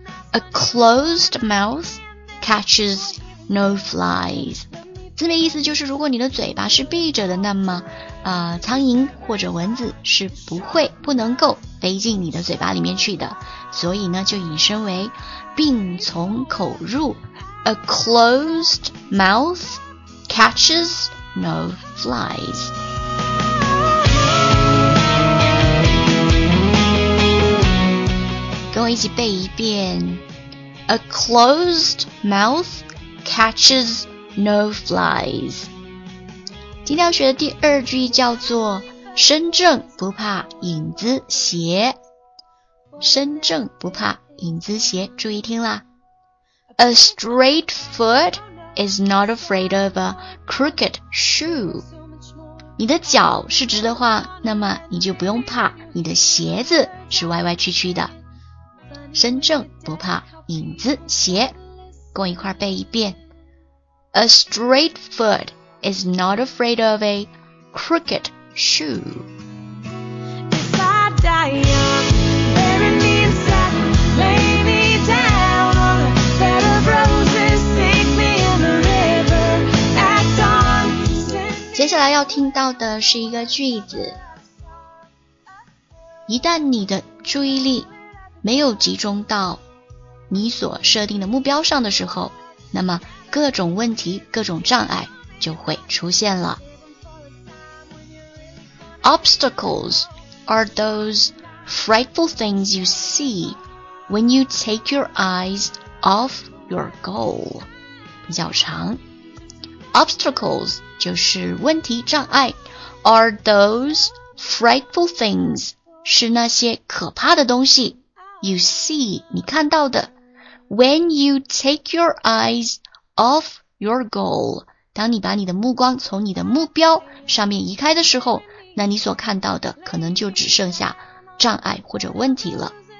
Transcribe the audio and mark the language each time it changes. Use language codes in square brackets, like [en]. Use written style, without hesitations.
[en] A closed mouth catches no flies. [zh] 字面意思就是如果你的嘴巴是闭着的，那么苍蝇或者蚊子是不能够飞进你的嘴巴里面去的。所以呢就引申为病从口入。 [en] A closed mouth catches no flies. [zh] 跟我一起背一遍 [en] A closed mouth catches no flies. [zh] 今天要学的第二句叫做身正不怕影子斜，身正不怕影子斜，注意听啦。 [en] A straight foot is not afraid of a crooked shoe. [zh] 你的脚是直的话，那么你就不用怕你的鞋子是歪歪曲曲的。身正不怕影子斜，跟我一块背一遍。 [en] A straight foot is not afraid of a crooked shoe. If I die young, bury me in sand, lay me down on a bed of roses, sink me in the river at dawn. [zh] 接下来要听到的是一个句子。一旦你的注意力没有集中到你所设定的目标上的时候，那么各种问题、各种障碍就会出现了。 [en] Obstacles are those frightful things you see when you take your eyes off your goal. [zh] 比较长。 Obstacles 就是问题、障碍。 [en] Are those frightful things [zh] 是那些可怕的东西。 [en] You see, [zh] 你看到的 [en] When you take your eyes off your goal, [zh] 当你把你的目光从你的目标上面移开的时候，那你所看到的可能就只剩下障碍或者问题了。